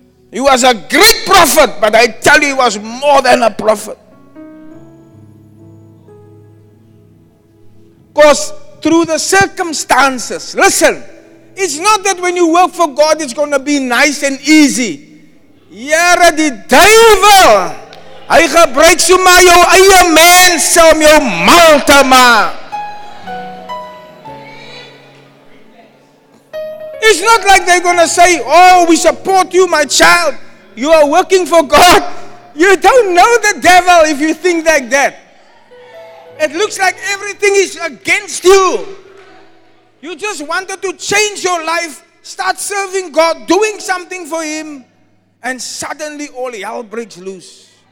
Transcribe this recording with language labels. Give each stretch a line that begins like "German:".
English: He was a great prophet, but I tell you, he was more than a prophet. Because through the circumstances, listen, it's not that when you work for God, it's going to be nice and easy. Here the devil,
Afrikaans: hy gebruik so maar jou eie mense om jou mal te maak.
English: It's not like they're going to say, oh, we support you, my child. You are working for God. You don't know the devil if you think like that. It looks like everything is against you. You just wanted to change your life, start serving God, doing something for Him, and suddenly all hell breaks loose.